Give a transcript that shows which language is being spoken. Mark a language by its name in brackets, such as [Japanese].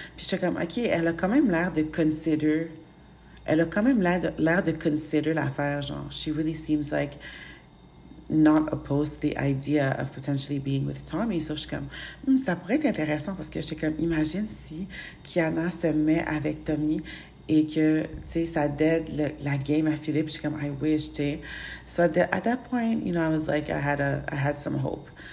[French] Puis j'étais comme, OK, elle a quand même l'air de consider. Elle a quand même l'air de consider l'affaire, genre. [English] She really seems like not opposed to the idea of potentially being with Tommy. [French] So j'étais comme, ça pourrait être intéressant parce que j'étais comme, imagine si Kiana se met avec Tommy et que, tu sais, ça dead la game à Philippe. J'étais comme, [English] I wish, [French] tu sais. [English] So at that point, you know, I was like, I had some hope.